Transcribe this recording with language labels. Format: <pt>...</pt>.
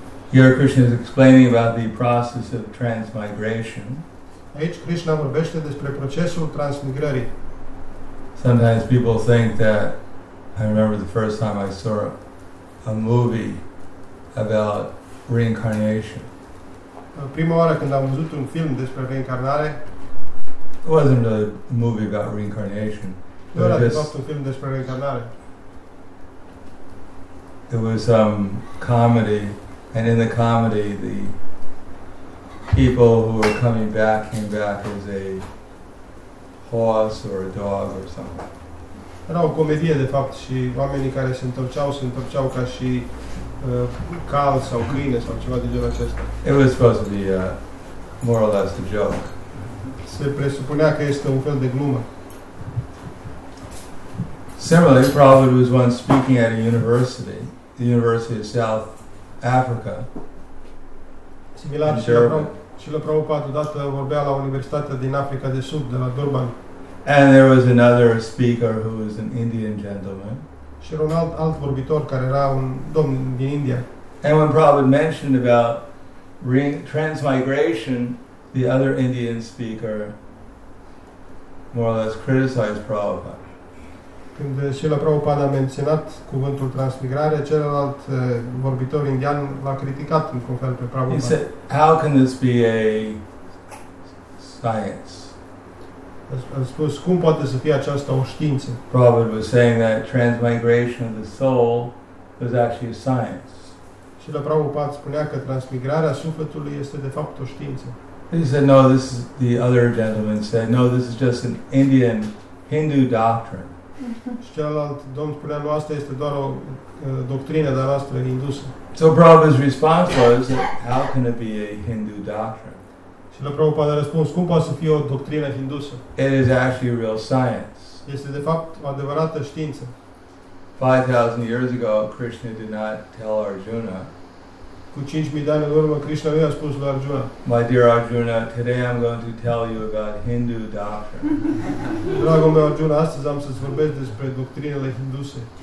<en>Here Krishna is explaining about the process of transmigration.</en> <ro>Aici Krishna vorbește despre procesul transmigrării.</ro> <en>Sometimes people think that, I remember the first time I saw a movie about reincarnation.</en> <ro>Prima oară când am văzut un film despre reîncarnare.</ro> <en>It wasn't a movie about reincarnation.</en> <ro>Nu era de fapt un film despre reîncarnare.</ro> <en>It was some comedy, and in the comedy the people who were coming back came back as a horse or a dog or something.</en> <ro>Era o comedie de fapt și oamenii care se întorceau ca și cal sau câine sau ceva de genul acesta.</ro> <en>It was supposed to be more or less a joke.</en> <ro>Se presupunea că este un fel de glumă.</ro> <en>Similarly, Prabhupada was once speaking at a university, the University of South Africa.</en> <ro>Similar, și la Prabhupada odată vorbea la Universitatea din Africa de Sud, de la Durban.</ro> <en>And there was another speaker who was an Indian gentleman.</en> <ro>Și era un alt vorbitor care era un domn din India.</ro> <en>And when Prabhupada mentioned about transmigration, the other Indian speaker more or less criticized Prabhupada.</en> <ro>Când și la Prabhupada a menționat cuvântul transmigrare, celălalt vorbitor indian l-a criticat în cum fel pe Prabhupada.</ro> <en>He said, how can this be a science?</en> <ro>A spus, cum poate să fie aceasta o știință?</ro> <en>Prabhupada was saying that transmigration of the soul was actually a science.</en> <ro>Și la Prabhupada spunea că transmigrarea sufletului este de fapt o știință.</ro> <en>He said, no, this is, the other gentleman said, no, this is just an Indian Hindu doctrine.</en> <ro>Și celălalt domn spunea, nu, asta este doar o doctrină de-a noastră indusă.</ro> <en>So Prabhupada's response was, how can it be a Hindu doctrine?</en> <ro>Și la Prabhupada a răspuns, cum poate să fie o doctrină hindusă?</ro> <en>It is actually a real science.</en> <ro>Este de fapt o adevărată știință.</ro> <en>5,000 years ago, Krishna did not tell Arjuna.</en> <ro>Cu 5,000 de ani în urmă, Krishna nu i-a spus lui Arjuna.</ro> <en>My dear Arjuna, today I'm going to tell you about Hindu doctrine.</en> <ro>Dragul meu Arjuna, astăzi am să-ți vorbesc despre doctrinele hinduse.</ro>